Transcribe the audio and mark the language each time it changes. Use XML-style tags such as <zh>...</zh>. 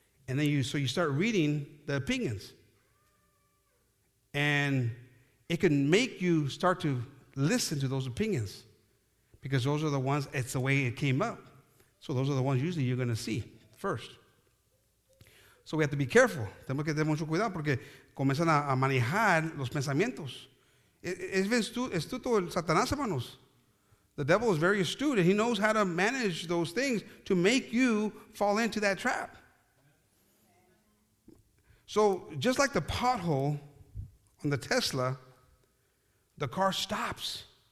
<en>And then you start reading the opinions. And it can make you start to listen to those opinions. Because those are the ones, it's the way it came up. So those are the ones usually you're going to see first. So we have to be careful.</en> <es>Tenemos que tener mucho cuidado porque comienzan a manejar los pensamientos. Es bien astuto el Satanás, hermanos.</es> <en>The devil is very astute and he knows how to manage those things to make you fall into that trap. So just like the pothole on the Tesla, the car stops.</en>